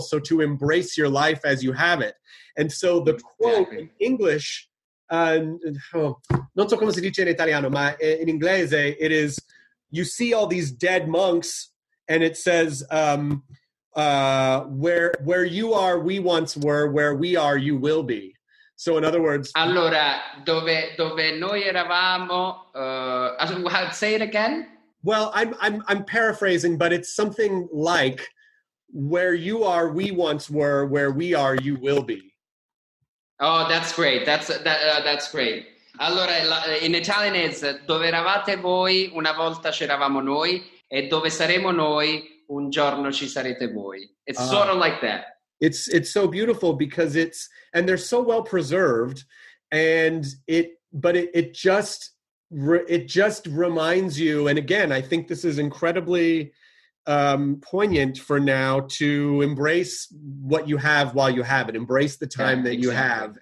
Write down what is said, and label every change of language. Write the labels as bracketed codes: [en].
[en] So to embrace your life as you have it. And so the quote in English, [it] non so come si dice in italiano, ma in inglese [en] it is, you see all these dead monks, and it says, where you are, we once were, where we are, you will be. So in other words... [it] Allora, dove noi eravamo... [en] say it again? Well, I'm paraphrasing, but it's something like, where you are, we once were, where we are, you will be. Oh, that's great. That's great. [it] Allora, [en] in Italian is [it] dove eravate voi, una volta c'eravamo noi, e dove saremo noi, un giorno ci sarete voi. [en] It's sort of like that. It's so beautiful because it's, and they're so well preserved, and it just reminds you, and again, I think this is incredibly poignant for now, to embrace what you have while you have it, embrace the time you have.